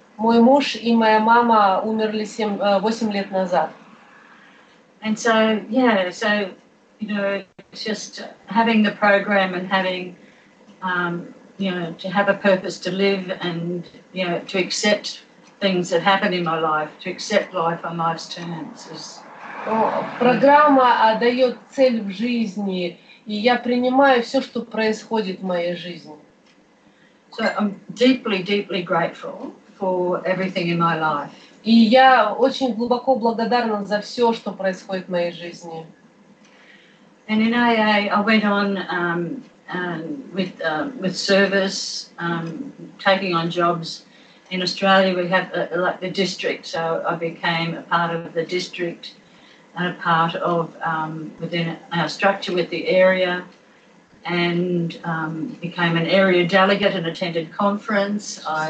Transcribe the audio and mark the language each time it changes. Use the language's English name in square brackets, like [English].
[Russian] Мой муж и моя мама умерли 8 лет назад. [English] And so yeah, so you know, just having the program and having you know, to have a purpose to live and you know, to accept things that happen in my life, to accept life on life's terms is [Russian] Программа дает цель в жизни. и я принимаю все, что происходит в моей жизни. [English] So I'm deeply, deeply grateful for everything in my life. [Russian] И я очень глубоко благодарна за все, что происходит в моей жизни. [English] And in AA, I went on with service, taking on jobs. In Australia, we have like the district, so I became a part of the district and a part of within our structure with the area, and became an area delegate and attended conference.